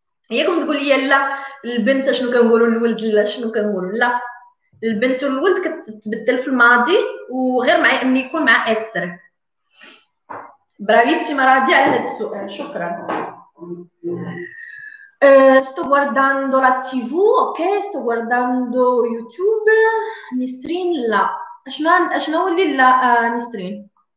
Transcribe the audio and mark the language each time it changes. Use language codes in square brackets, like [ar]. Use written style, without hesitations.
[ar] هي كم تقول لي لا البنت شنو كنقولوا للولد، لا شنو كنقولوا، لا البنت والولد كتبدل في الماضي وغير مع ان يكون مع اسر. برافيسيما راضيه على هذا السؤال، شكرا. [it] sto guardando la TV. اوكي sto guardando YouTube. [ar] نسرين لا اشنو اللي لا نسرين.